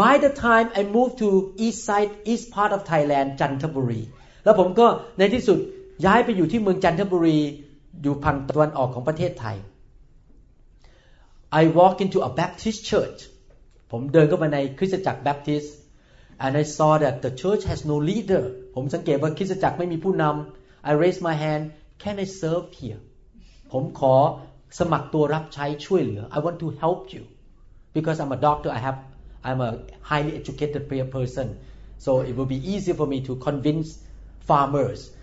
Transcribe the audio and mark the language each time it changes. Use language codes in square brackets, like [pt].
[en] By the time I moved to east side, east part of Thailand, Chanthaburi. [th] แล้วผมก็ในที่สุดย้ายไปอยู่ที่เมืองจันทบุรีอยู่ฝั่งตะวันออกของประเทศไทย [en] I walked into a Baptist church. [th] ผมเดินเข้าไปในคริสตจักร Baptist. [en] And I saw that the church has no leader. [th] ผมสังเกตว่าคริสตจักรไม่มีผู้นำ [en] I raised my handCan I serve here? [th] ผมขอสมัครตัวรับใช้ช่วยเหลือ [en] I want to help you because I'm a doctor. I'm a highly educated person. So it will be easier for me to convince farmers.